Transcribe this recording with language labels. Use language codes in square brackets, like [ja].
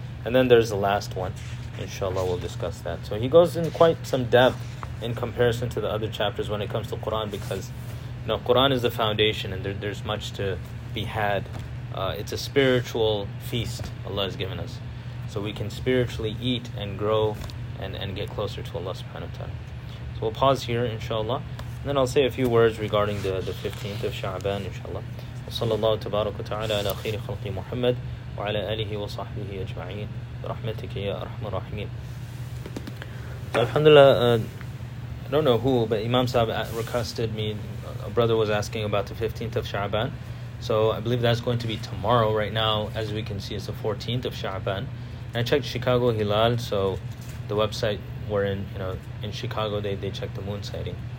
[en] And then there's the last one. Inshallah, we'll discuss that. So he goes in quite some depth in comparison to the other chapters when it comes to Qur'an, because, you know, Qur'an is the foundation and there's much to be had. It's a spiritual feast Allah has given us. So we can spiritually eat and grow and get closer to Allah subhanahu wa ta'ala. So we'll pause here, inshallah. And then I'll say a few words regarding the 15th of Sha'ban, inshallah. [ar] صلى الله تبارك وتعالى على خير خلق محمد وعلى آله وصحبه أجمعين برحمتك يا أرحم الراحمين. الحمد لله. [en] I don't know who, but Imam Saab requested me. A brother was asking about the 15th of Sha'ban. So I believe that's going to be tomorrow. Right now, as we can see, it's the 14th of Sha'ban. And I checked Chicago Hilal, so the website we're in, you know, in Chicago, they checked the moon sighting.